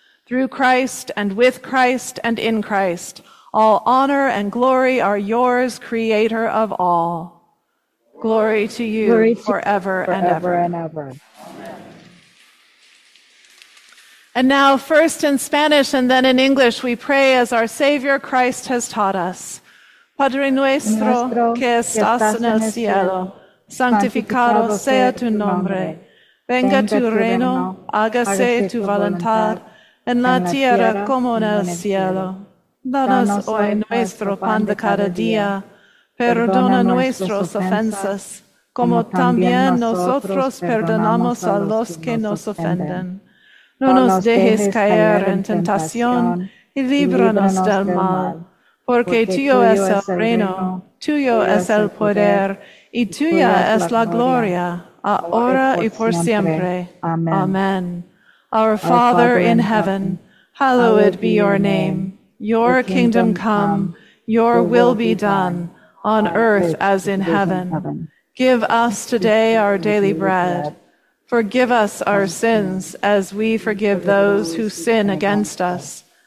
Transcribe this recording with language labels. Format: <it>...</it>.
<en>Through Christ and with Christ and in Christ, all honor and glory are yours, Creator of all. Glory to you, glory forever, to you and ever and ever. And now, first in Spanish and then in English, we pray as our Savior Christ has taught us.</en> <es>Padre nuestro que estás en el cielo, santificado sea tu nombre. Venga tu reino, hágase tu voluntad, en la tierra como en el cielo. Danos hoy nuestro pan de cada día. Perdona nuestras ofensas, como también nosotros perdonamos a los que nos ofenden. No nos dejes caer en tentación y líbranos del mal. Porque tuyo es el reino, tuyo es el poder y tuya es la gloria, ahora y por siempre. Amén.</es> <en>Our Father in heaven, hallowed be your name. Your kingdom come, your will be done, on earth as in heaven. Give us today our daily bread. Forgive us our sins as we forgive those who sin against us.</en>